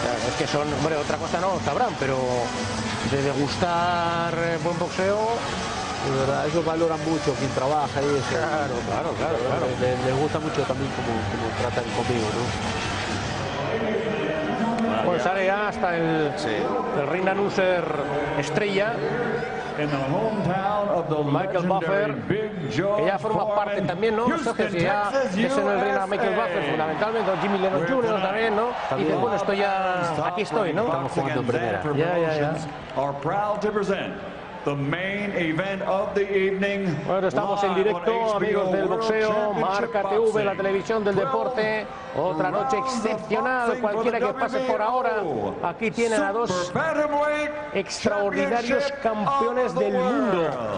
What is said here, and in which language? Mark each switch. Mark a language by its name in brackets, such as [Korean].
[Spanish] Es que son, hombre, otra cosa no sabrán, pero de degustar buen boxeo... De verdad, ellos valoran mucho quien trabaja y eso. Claro. Les gusta mucho también como tratan conmigo, ¿no? Pues sale ya hasta el ring announcer estrella. [English] In the hometown of the Michael Buffer, Big Joe, [Spanish] que ya forma parte también, ¿no? Es en el ring a Michael Buffer, fundamentalmente, o Jimmy Lennon Jr. también, ¿no? Y dice, bueno, aquí estoy, ¿no? Estamos jugando en primera. Ya. [English] Are proud to present the main event of the evening. [Spanish] Bueno, estamos en directo, amigos del boxeo, Marca TV, la televisión del deporte. Otra noche excepcional. Cualquiera que pase por ahora, aquí tienen a dos extraordinarios campeones del mundo.